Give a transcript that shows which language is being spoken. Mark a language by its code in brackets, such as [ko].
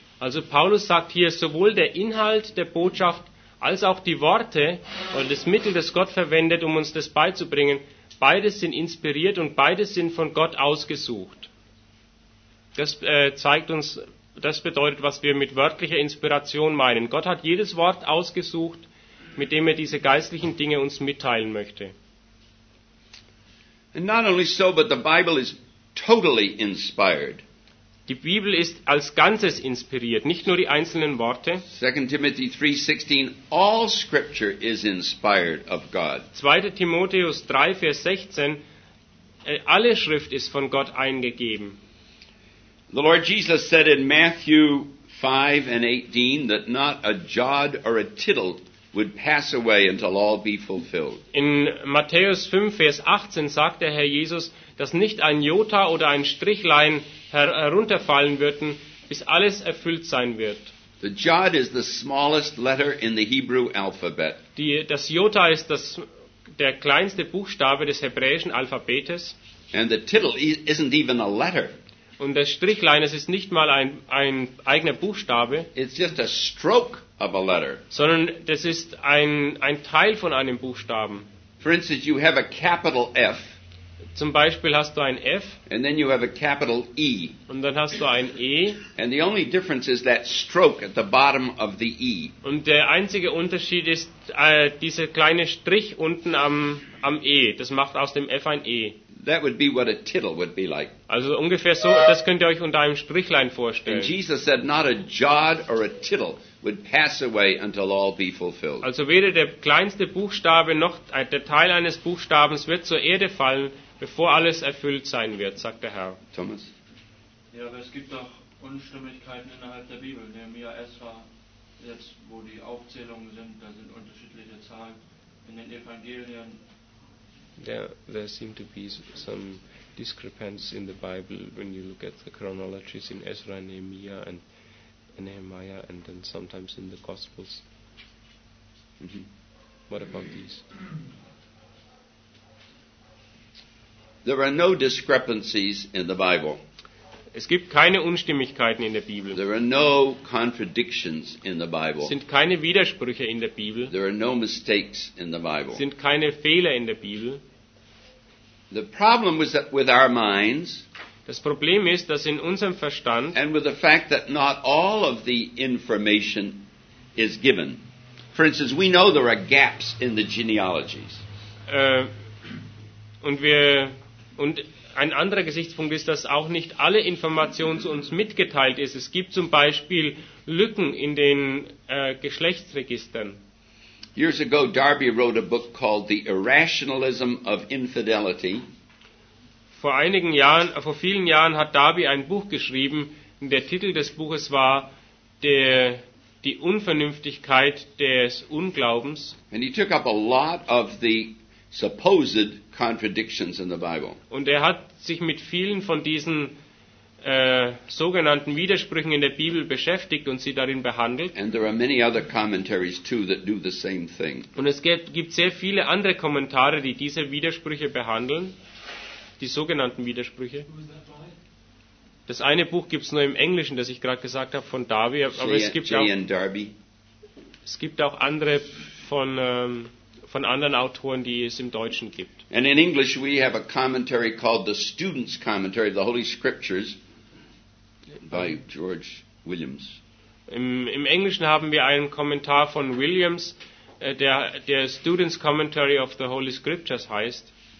[de] Also Paulus sagt hier, sowohl der Inhalt der Botschaft als auch die Worte und das Mittel, das Gott verwendet, um uns das beizubringen, Beides sind inspiriert und beides sind von Gott ausgesucht. Das zeigt uns, das bedeutet, was wir mit wörtlicher Inspiration meinen. Gott hat jedes Wort ausgesucht, mit dem er diese geistlichen Dinge uns mitteilen möchte. [en] And not only so, but the Bible is totally inspired. [de] Die Bibel ist als Ganzes inspiriert, nicht nur die einzelnen Worte. [en] 2. Timotheus 3:16, all scripture is inspired of God. [de] 2. Timotheus 3, Vers 16, alle Schrift ist von Gott eingegeben. [en] The Lord Jesus said in Matthew 5:18 that not a jot or a tittle would pass away until all be fulfilled. [de] In Matthäus 5, Vers 18 sagt der Herr Jesus, dass nicht ein Jota oder ein Strichlein herunterfallen würden, bis alles erfüllt sein wird. [en] The jot is the smallest letter in the Hebrew alphabet. [de] Das Jota ist der kleinste Buchstabe des hebräischen Alphabetes. [en] And the tittle isn't even a letter. [de] Und das Strichlein, es ist nicht mal ein eigener Buchstabe. [en] It's just a stroke of a letter. [de] Sondern das ist ein Teil von einem Buchstaben. [en] For instance, you have a capital F. [de] Zum Beispiel hast du ein F. [en] And then you have a capital E. [de] Und dann hast du ein E. [en] And the only difference is that stroke at the bottom of the E. [de] Und der einzige Unterschied ist dieser kleine Strich unten am E. Das macht aus dem F ein E. [en] That would be what a tittle would be like. [de] Also ungefähr so, das könnt ihr euch unter einem Strichlein vorstellen. [en] And Jesus said not a jot or a tittle would pass away until all be fulfilled. [de] Also weder der kleinste Buchstabe noch der Teil eines Buchstabens wird zur Erde fallen, bevor alles erfüllt sein wird, sagt der Herr. Thomas? Ja, aber es gibt auch Unstimmigkeiten innerhalb der Bibel. Nehemia, Esra, jetzt wo die Aufzählungen sind, da sind unterschiedliche Zahlen. In den Evangelien. [en] There seem to be some discrepancies in the Bible when you look at the chronologies in Ezra, Nehemiah, and Nehemiah, and then sometimes in the Gospels. Mm-hmm. What about these? There are no discrepancies in the Bible. [de] Es gibt keine Unstimmigkeiten in der Bibel. [en] There are no contradictions in the Bible. [de] Sind keine Widersprüche in der Bibel. [en] There are no mistakes in the Bible. [de] Sind keine Fehler in der Bibel. [en] The problem was that with our minds. [de] Das Problem ist, dass in unserem Verstand. [en] And with the fact that not all of the information is given. For instance, we know there are gaps in the genealogies. [de] Und ein anderer Gesichtspunkt ist, dass auch nicht alle Informationen zu uns mitgeteilt ist. Es gibt zum Beispiel Lücken in den Geschlechtsregistern. [en] Years ago, Darby wrote a book called The Irrationalism of Infidelity. [de] Vor vielen Jahren hat Darby ein Buch geschrieben. Der Titel des Buches war Die Unvernünftigkeit des Unglaubens. [en] And he took up a lot of the supposed contradictions in the Bible. [de] Und er hat sich mit vielen von diesen sogenannten Widersprüchen in der Bibel beschäftigt und sie darin behandelt. [en] And there are many other commentaries too that do the same thing. [de] Und es gibt sehr viele andere Kommentare, die diese Widersprüche behandeln, die sogenannten Widersprüche. Das eine Buch gibt es nur im Englischen, das ich gerade gesagt habe, von Darby. Aber es gibt auch andere von anderen Autoren, die es im Deutschen gibt. [en] And in English we have a commentary called the Student's Commentary of the Holy Scriptures by George Williams. [de] Im Englischen haben wir einen Kommentar von Williams, der Student's Commentary of the Holy Scriptures heißt.